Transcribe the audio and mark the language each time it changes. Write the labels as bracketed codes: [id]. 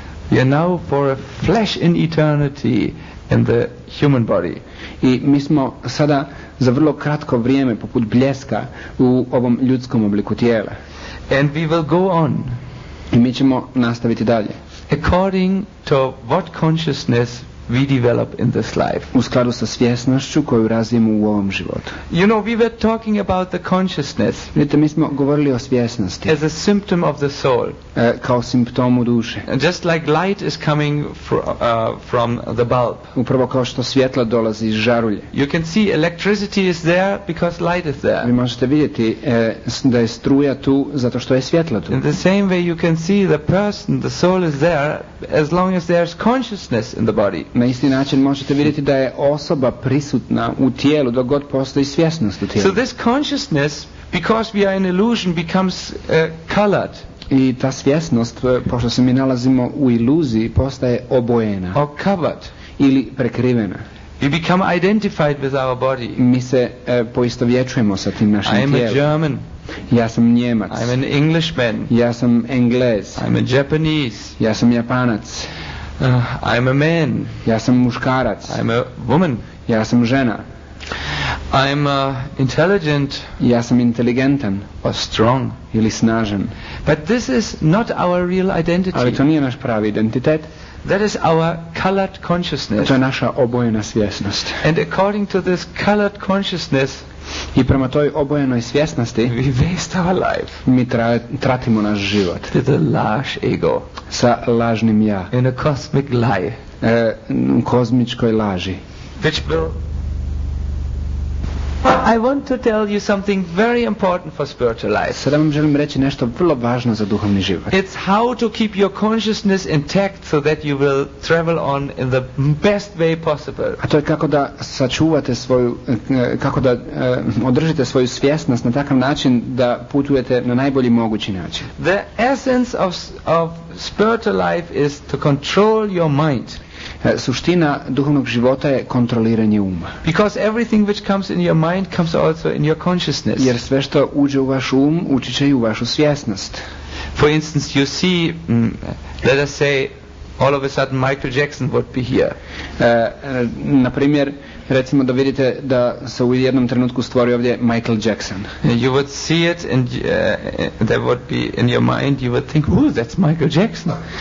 [en] We are now for a flash in eternity in the human body. [hr] I mi smo sada za vrlo kratko vrijeme, poput bljeska, u ovom ljudskom obliku tijela. [en] And we will go on. [hr] I mi ćemo nastaviti dalje. [en] According to what consciousness we develop in this life. [hr] U skladu sa svjesnošću koju razvijemo u ovom životu. [en] You know, we were talking about the consciousness. [hr] Vidite, mi smo govorili o svjesnosti. [en] As a symptom of the soul. [hr] Kao simptomu duše. [en] Just like light is coming from the bulb. [hr] Upravo kao što svjetlo dolazi iz žarulje. [en] You can see electricity is there because light is there. [hr] Vi možete vidjeti da je struja tu zato što je svjetlo tu. [en] In the same way you can see the person, the soul is there as long as there's consciousness in the body. [hr] Na isti način možete vidjeti da je osoba prisutna u tijelu dok god postoji svjesnost u tijelu. [en] So this consciousness, because we are in illusion, becomes colored. [hr] I ta svjesnost, pošto se mi nalazimo u iluziji, postaje obojena. [en] Or covered. [hr] Ili prekrivena. [en] We become identified with our body. [hr] Mi se poistovjećujemo sa tim našim tijelom. [en] I am a German. [hr] Ja sam Njemac. [en] I'm an Englishman. [hr] Ja sam Englez. [en] I'm a Japanese. [hr] Ja sam Japanac. [en] I'm a man. [hr] Ja sam muškarac. [en] I'm a woman. [hr] Ja sam žena. [en] I'm intelligent. [hr] Ja sam inteligentan. [en] Or strong. [hr] Ili snažan. [en] But this is not our real identity. [hr] Ali to nije naš pravi identitet. [en] That is our colored consciousness. [hr] To je naša obojena svjesnost. [en] And according to this colored consciousness, [hr] i prema toj obojenoj svjesnosti, [en] we waste our life. [hr] Mi tratimo naš život. [en] With a large ego. [hr] Sa lažnim ja. [en] In a cosmic lie. [hr] U kozmičkoj laži. [en] Which will... I want to tell you something very important for spiritual life. [hr] Sada vam želim reći nešto vrlo važno za duhovni život. [en] It's how to keep your consciousness intact so that you will travel on in the best way possible. [hr] A to je kako da sačuvate svoju, kako da održite svoju svjesnost na takav način da putujete na najbolji mogući način. [en] The essence of spiritual life is to control your mind. [hr] Suština duhovnog života je kontroliranje uma. [en] Because everything which comes in your mind comes also in your consciousness. [hr] Jer sve što uđe u vaš um, ući će i u vašu svjesnost. [en] For instance, you see, let us say, all of a sudden Michael Jackson would be here. [hr] Na primjer, recimo da vidite da se u jednom trenutku stvori ovdje Michael Jackson. [en] You would see it and there would be in your mind, you would think, ooh, that's Michael Jackson.